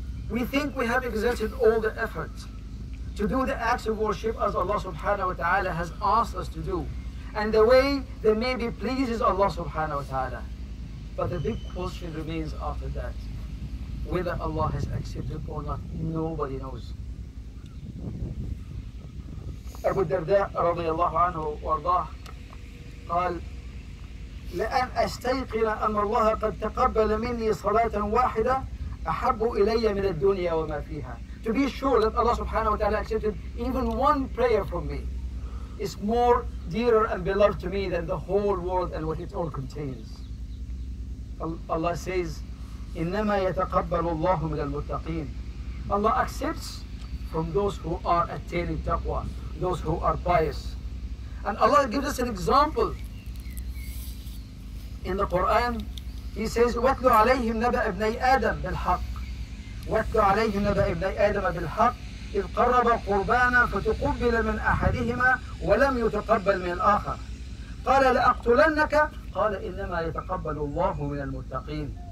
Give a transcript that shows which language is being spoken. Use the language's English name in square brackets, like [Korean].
[English] We think we have exerted all the effort to do the acts of worship as Allah subhanahu wa ta'ala has asked us to do, and the way that maybe pleases Allah subhanahu wa ta'ala. But the big question remains after that, whether Allah has accepted or not, nobody knows. [Arabic] Abu Darda radiallahu anhu wardah qal, لأن أستيقن أن الله قد تقبل مني صلاة واحدة أحب إلي من الدنيا وما فيها. [English] To be sure that Allah subhanahu wa ta'ala accepted even one prayer from me is more dearer and beloved to me than the whole world and what it all contains. Allah says, [Arabic] إنما يتقبل الله من المتقين. [English] Allah accepts from those who are attaining taqwa, those who are pious. And Allah gives us an example. In the Quran, He says, [Arabic] وَاتْلُ عَلَيْهِمْ نَبَأَ ابْنَيْ آدَمَ بِالْحَقِّ وَاتْلُ عَلَيْهِمْ نَبَأَ ابْنَيْ آدَمَ بِالْحَقِّ إِذْ قَرَّبَ قُرْبَانًا فَتُقُبِّلَ مِنْ أَحَدِهِمَا وَلَمْ يُتَقَبَّلْ مِنْ الْآخَرِ قَالَ لَأَقْتُلَنَّكَ قَالَ إِنَّمَا يَتَقَبَّلُ اللَّهُ مِنَ الْمُتَّقِينَ.